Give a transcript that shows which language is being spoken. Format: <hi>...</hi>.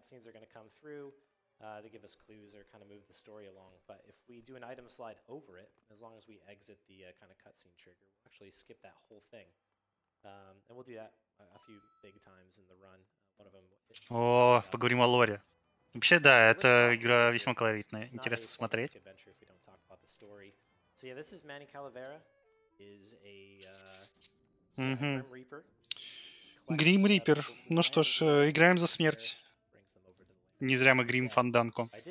<en>To give us clues or kind of move the story along, but if we do an item slide over it, as long as we exit the kind of cutscene trigger, we'll actually skip that whole thing, and we'll do that a few big times in the run. One of them.</en> <ru>Поговорим о лоре. Вообще, да, эта игра весьма колоритная, интересно смотреть.</ru> <en>Adventure if we don't talk about the story. So yeah, this is Manny Calavera, is a Grim Reaper.</en> <ru>Ну что ж, играем за смерть. Не зря мы грим Фанданко.</ru>